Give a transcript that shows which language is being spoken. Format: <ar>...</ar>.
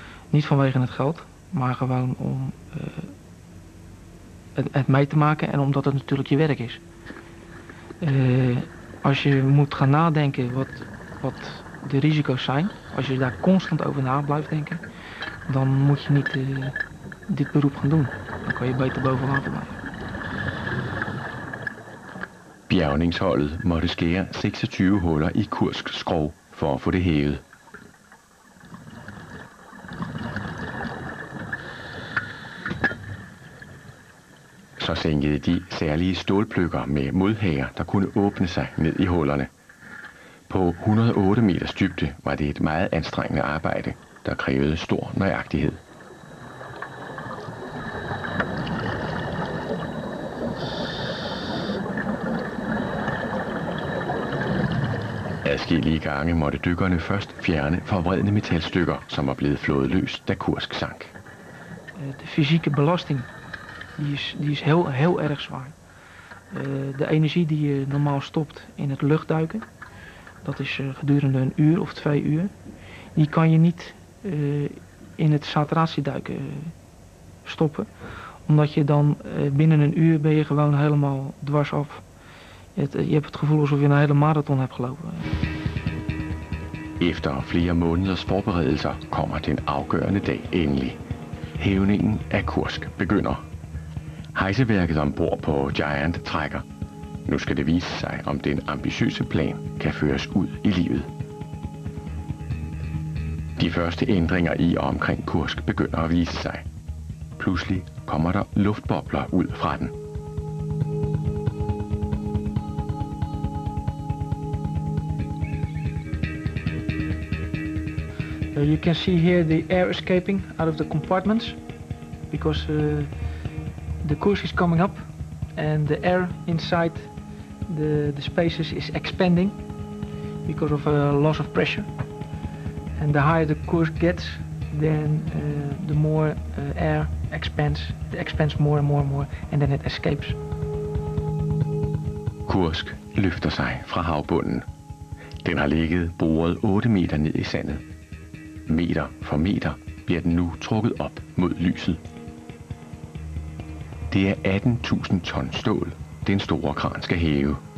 <nl>Niet vanwege het geld, maar gewoon om het mee te maken en omdat het natuurlijk je werk is. Als je moet gaan nadenken wat de risico's zijn, als je daar constant over na blijft denken, dan moet je niet dit beroep gaan doen. Dan kan je beter boven water blijven.</nl> <da>Bjergningsholdet måtte skære 26 huller i Kursk skrog for at få det hævet. Så sænkede de særlige stålpløkker med modhager, der kunne åbne sig ned i hullerne. På 108 meters dybde var det et meget anstrengende arbejde, der krævede stor nøjagtighed. Adskillige gange måtte dykkerne først fjerne forvredne metalstykker, som var blevet flået løs, da Kursk sank.</da> <nl>De fysiske belastning, die is heel erg zwaar. De energie die je normaal stopt in het luchtduiken, dat is gedurende een uur of twee uur, die kan je niet in het saturatieduiken stoppen. Omdat je dan binnen een uur ben je gewoon helemaal dwars af. Je hebt het gevoel alsof je een hele marathon hebt gelopen.</nl> <da>Efter flere måneders forberedelser kommer den afgørende dag endelig. Hævningen af Kursk begynder. Hejseværket ombord på Giant trækker. Nu skal det vise sig, om den ambitiøse plan kan føres ud i livet. De første ændringer i og omkring Kursk begynder at vise sig. Pludselig kommer der luftbobler ud fra den.</da> <en>You can see here the air escaping out of the compartments because the Kursk is coming up and the air inside the spaces is expanding because of a loss of pressure. And the higher the Kursk gets, then the more air expands. It expands more and more and more, and then it escapes.</en> <da>Kursk løfter sig fra havbunden. Den har ligget boret 8 meter ned i sandet. Meter for meter bliver den nu trukket op mod lyset. Det er 18.000 ton stål, den store kran skal hæve.</da>